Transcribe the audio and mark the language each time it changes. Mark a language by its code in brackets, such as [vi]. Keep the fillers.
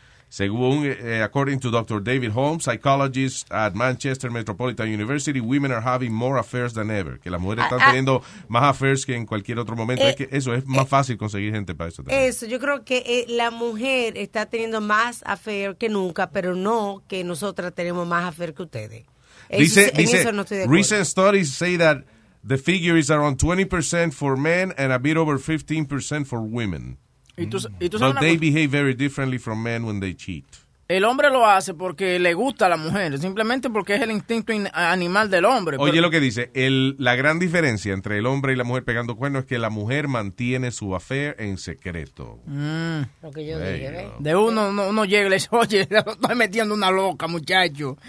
[es] Según, [en] eh, according to Dr. David Holmes, psychologist at Manchester Metropolitan University, women are having more affairs than ever. [es] Que las mujeres ah, están ah, teniendo más affairs que en cualquier otro momento. Eh, es que eso es más eh, fácil conseguir gente para eso. También. Eso, yo creo que eh, affairs que nunca, pero no que nosotras tenemos más affairs que ustedes. Dice, dice, no [en] recent studies say that the figure is around 20% for men and a bit over 15% for women. Mm -hmm. But they behave very differently from men when they cheat. [es] El hombre lo hace porque le gusta a la mujer, simplemente porque es el instinto in animal del hombre. Oye, pero... lo que dice, el, la gran diferencia entre el hombre y la mujer pegando cuernos es que la mujer mantiene su affair en secreto. Ah, lo que yo hey, no. De uno, no, uno, llega y le dice, oye, estoy metiendo una loca, muchacho.